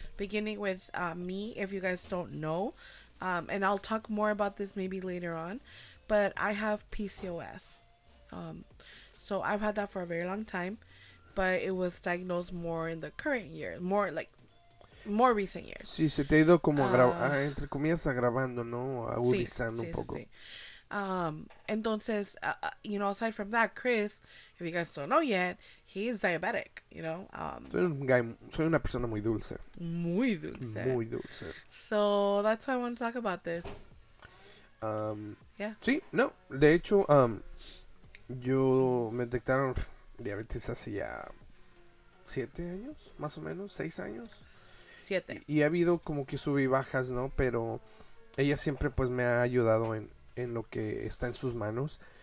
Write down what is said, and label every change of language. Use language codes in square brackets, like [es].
[en] Beginning with me, if you guys don't know, and I'll talk more about this maybe later on, but I have PCOS. So I've had that for a very long time. But it was diagnosed more in the current year, more recent years. [es] Sí, se te ha ido como entre comillas agravando, ¿no? Agudizando sí, un poco. Sí. Entonces, [en] you know, aside from that, Chris, if you guys don't know yet, he's diabetic, you know. [es] Soy una persona muy dulce. Muy dulce. Muy dulce. [en] So that's why I want to talk about this. Yeah. [es] Sí, no, de hecho, yo me detectaron diabetes hace ya 7 años, más o menos, 6 años. Siete. Y ha habido como que sub y bajas, ¿no? Pero ella siempre pues me ha ayudado en lo que está en sus manos.